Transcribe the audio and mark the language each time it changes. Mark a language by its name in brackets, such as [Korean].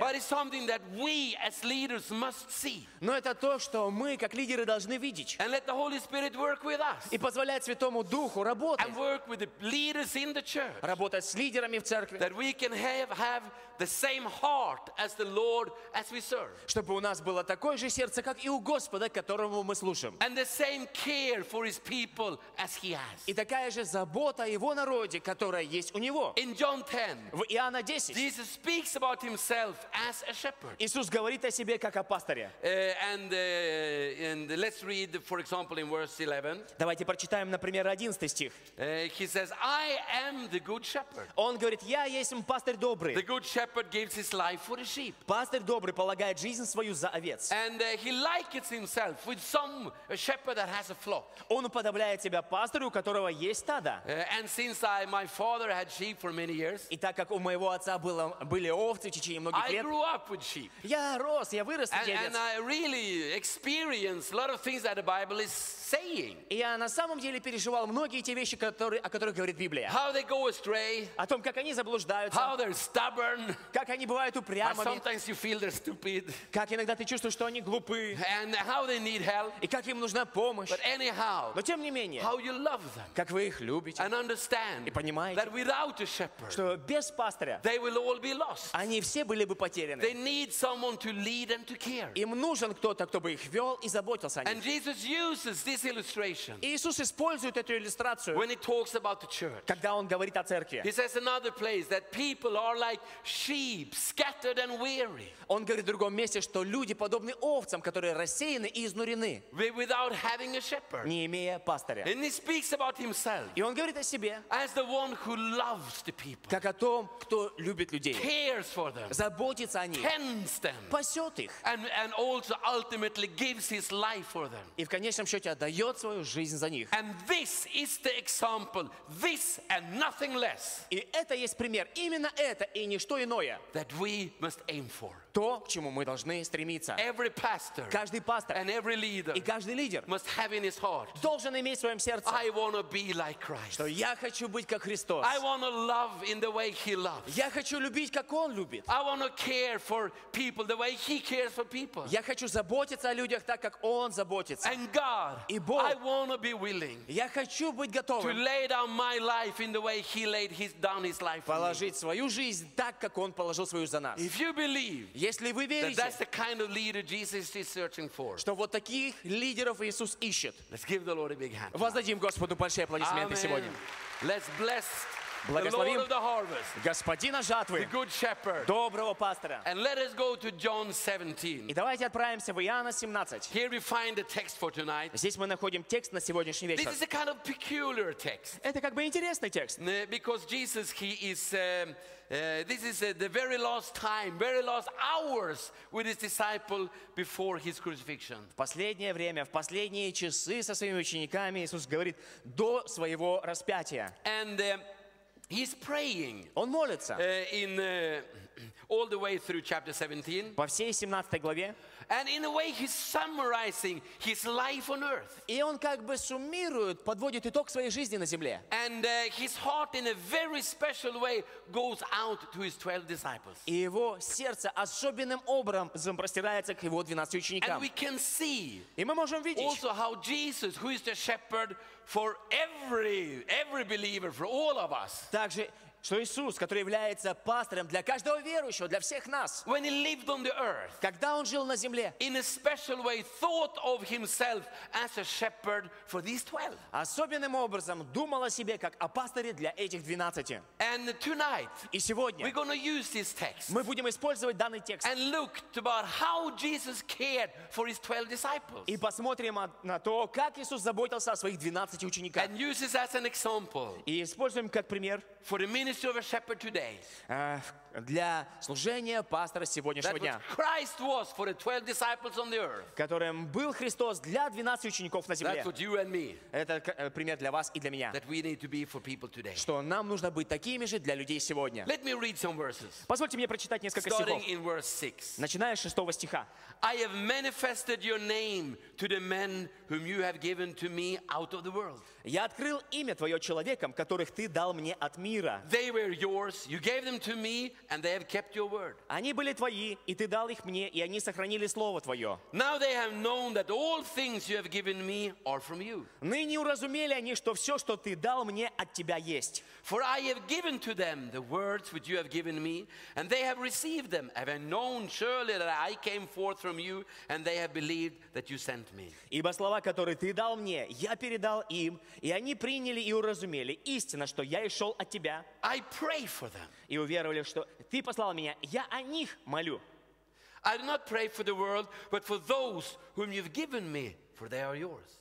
[English] But it's something that we, as leaders, must see. [Russian] Но это то, что мы, как лидеры, должны видеть. [English] And let the Holy Spirit work with us. [Russian] Позволяет Святому Духу работать. [English] And work with the leaders in the church, [Russian] работать с лидерами в церкви. [English] That we can have the same heart as the Lord as we serve. [Russian] Чтобы у нас было такое же сердце, как и у Господа, которому мы служим. [English] And the same care for his people as he has. [Russian] И такая же забота о его народе, которая есть у него. [English] In John 10, [Russian] в Иоанна 10, [English] Jesus speaks about himself as a shepherd. [Russian] Иисус говорит о себе как о пасторе. [English] And let's read, for example, in verse 11. [Russian] Давайте прочитаем, например, 11 стих. [English] He says, I am the good shepherd. [Russian] Он говорит, я есть пастырь добрый. [English] The good shepherd gives his life for the sheep. [Russian] Пастырь добрый полагает жизнь свою за овец. [English] And he likens himself with some shepherd that has a flock. [Russian] Он уподобляет себя пастырю, у которого есть стадо. [English] And since my father had sheep for many years. [Russian] И так как у моего отца были овцы в течение многих лет. [English] I grew up with sheep. [Russian] Я рос, я вырос среди овец. [English] And I really experienced a lot of things that the Bible is saying. [Russian] Я на самом деле переживал многие те вещи, о которых говорит Библия. [English] How they go astray, [Russian] о том, как они заблуждаются. [English] How they're stubborn, [Russian] как они бывают упрямыми. [English] Sometimes you feel they're stupid, [Russian] как иногда ты чувствуешь, что они глупы. [English] And how they need help, [Russian] и как им нужна помощь. [English] But anyhow, [Russian] но тем не менее, [English] how you love them, [Russian] как вы их любите [English] and understand, [Russian] и понимаете, [English] that without a shepherd, [Russian] что без пастыря [English] they will all be lost. [Russian] Они все были бы потеряны. [English] They need someone to lead and to care. [Russian] Им нужен кто-то, кто бы их вел и заботился о них. [English] And Jesus uses this illustration. [Russian] Иисус использует эту иллюстрацию, [English] when he talks about the church, [Russian] когда он говорит о церкви. [English] He says another place that people are like sheep, scattered and weary. [Russian] Он говорит в другом месте, что люди подобны овцам, которые рассеяны и изнурены, [English] without having a shepherd, [Russian] не имея пастыря. [English] And he speaks about himself, [Russian] и он говорит о себе, [English] as the one who loves the people, [Russian] как о том, кто любит людей, [English] cares for them, [Russian] заботится о них, [English] tends them, [Russian] пасет их, [English] and also ultimately gives his life for them, [Russian] и в конечном счете отдает свою жизнь за них. [English] And this is the example, this and nothing less. [Russian] И это есть пример, именно это и ничто иное. [English] That we must aim for. [Russian] То, к чему мы должны стремиться. [English] Every pastor, [Russian] каждый пастор, [English] and every leader, [Russian] и каждый лидер, [English] must have in his heart, [Russian] должен иметь в своем сердце. [English] I wanna be like Christ. [Russian] Что я хочу быть как Христос. [English] I wanna love in the way he loves. [Russian] Я хочу любить, как он любит. [English] I wanna care for people the way he cares for people. [Russian] Я хочу заботиться о людях так, как он заботится. [English] And God, [Russian] и Бог, [English] I wanna be willing, [Russian] я хочу быть готовым, [English] to lay down my life in the way he laid down his life for me. [Russian] Положить свою жизнь так, как он положил свою за нас. [English] If you believe, [Russian] если вы верите, [English] that's the kind of leader Jesus is searching for, [Russian] что вот таких лидеров Иисус ищет, [English] let's give the Lord a big hand. [Russian] Воздадим Господу большие аплодисменты сегодня. [English] Let's bless the Lord of the harvest, [Russian] Господина жатвы, [English] the good shepherd, [Russian] доброго пастора. [English] And let us go to John 17. [Russian] И давайте отправимся в Иоанна 17. [English] Here we find the text for tonight. [Russian] Здесь мы находим текст на сегодняшний вечер. [English] This is a kind of peculiar text. [Russian] Это как бы интересный текст. [English] Because Jesus, he is... this is the very last time, very last hours with his disciple before his crucifixion. [Russian] В последнее время, в последние часы со своими учениками Иисус говорит до своего распятия. [English] And he's praying. [Russian] Он молится. [English] In all the way through chapter 17. [Russian] По всей 17 главе. [English] And in a way he's summarizing his life on earth. [Russian] И он как бы суммирует, подводит итог своей жизни на земле. [English] And his heart in a very special way goes out to his 12 disciples. [Russian] И его сердце особенным образом простирается к его 12 ученикам. [English] And we can see. [Russian] И мы можем видеть. [English] Also how Jesus, who is the shepherd for every believer, for all of us. [Russian] Также что Иисус, который является пастырем для каждого верующего, для всех нас, [English] when he lived on the earth, [Russian] когда он жил на земле, [English] in a special way thought of himself as a shepherd for these 12. [Russian] Особенным образом думал о себе как о пастыре для этих 12. [English] And tonight, [Russian] и сегодня [English] we're going to use this text, [Russian] мы будем использовать данный текст, [English] and look about how Jesus cared for his 12 disciples, [Russian] и посмотрим на то, как Иисус заботился о своих 12 учениках, [English] and use this as an example, [Russian] и используем как пример [English] for the ministry of a shepherd today. [Russian] Для служения пастора сегодняшнего дня. [English] Christ was for the 12 disciples on the earth. [Russian] Которым был Христос для 12 учеников на земле. [English] That's what you and me. [Russian] Это пример для вас и для меня. [English] That we need to be for people today. [Russian] Что нам нужно быть такими же для людей сегодня. [English] Let me read some verses. [Russian] Позвольте мне прочитать несколько стихов. [English] Starting in verse 6. [Russian] Начиная с 6 стиха. [English] I have manifested your name to the men whom you have given to me out of the world. [Russian] Я открыл имя твое человекам, которых ты дал мне от мира. [English] They were yours, you gave them to me, and they have kept your word. [Russian] Они были твои, и ты дал их мне, и они сохранили слово твое. [English] Now they have known that all things you have given me are from you. [Russian] Ныне уразумели они, что все, что ты дал мне, от тебя есть. [English] For I have given to them the words which you have given me, and they have received them, have known surely that I came forth from you, and they have believed that you sent me. [Russian] Ибо слова, которые ты дал мне, я передал им, и они приняли и уразумели истинно, что я шел от тебя. [English] I pray for them. [Russian] И уверовали, что ты послал меня, я о них молю. [English] I do not pray for the world, but for those whom you've given me, for they are yours.